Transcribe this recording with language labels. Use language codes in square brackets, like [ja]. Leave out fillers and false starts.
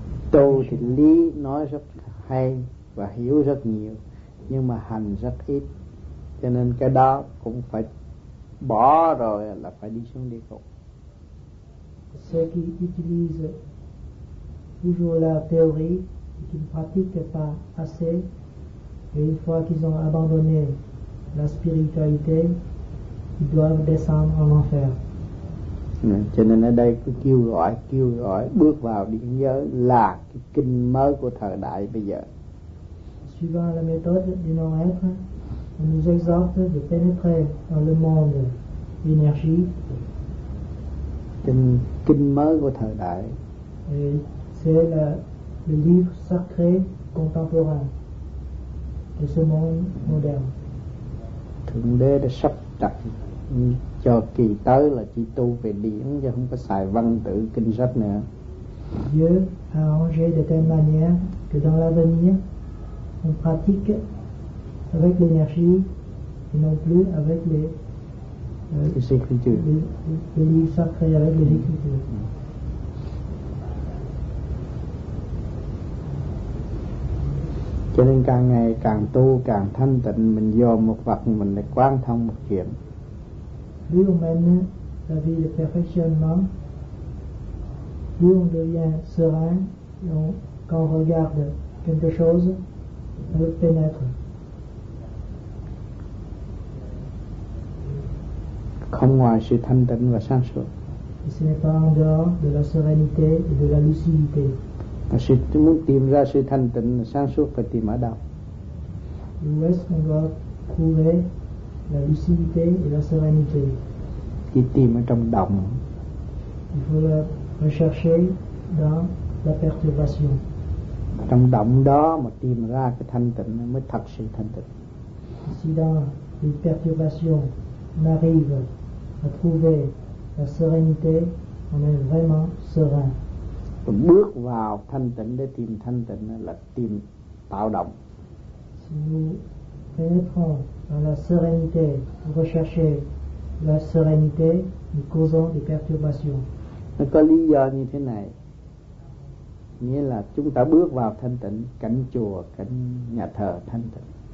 [vi] Tu thì lý nói rất hay và hiểu rất nhiều, nhưng mà hành rất ít. Cho nên cái đó cũng phải bỏ rồi là phải đi xuống địa ngục. [fr] Ceux qui utilisent toujours la théorie et qui ne pratique pas assez Et une fois qu'ils ont abandonné la spiritualité, ils doivent descendre en enfer. [vi] Cho nên ở đây cứ kêu gọi bước vào điện giới là cái kinh mới của thời đại bây giờ. [fr] Suivant la méthode du non-être, on nous exhorte de pénétrer dans le monde d'énergie. [vi] Kinh mới của thời đại. [fr] Et c'est le livre sacré contemporain de ce monde moderne. [vi] Thượng Đế đã sắp đặt cho kỳ tới là chỉ tu về điển chứ không có xài văn tự kinh sách nữa. [fr] Dieu a arrangé de telle manière que dans l'avenir on pratique avec l'énergie et non plus avec les écritures. Les livres sacrés avec les écritures. [vi] Cho nên càng ngày càng tu càng thanh tịnh, mình vô một vật mình lại quán thông một chuyện. [fr] Plus on mène la vie de perfectionnement, plus on devient serein, et quand on regarde quelque chose, on le pénètre. [vi] Không ngoài sự thanh tịnh và sáng suốt. [fr] Et ce n'est pas en dehors de la sérénité et de la lucidité. [vi] Muốn tìm ra sự thanh tịnh và sáng suốt phải tìm ở đâu? [fr] Où est-ce qu'on doit trouver la lucidité et la sérénité? [vi] Chỉ tìm ở trong động. [fr] Il faut la rechercher dans la perturbation. [vi] Trong động đó mà tìm ra cái thanh tịnh mới thật sự thanh tịnh. [fr] Si dans les perturbations on arrive à trouver la sérénité, on est vraiment serein. [vi] Rồi bước vào thanh tịnh để tìm thanh tịnh là tìm tạo động. [fr] Si nous pénétrons dans la sérénité pour rechercher la sérénité, nous causons des perturbations. [vi] Nó có lý do như thế này. Nghĩa là chúng ta bước vào thanh tịnh, cảnh chùa, cảnh nhà thờ thanh tịnh.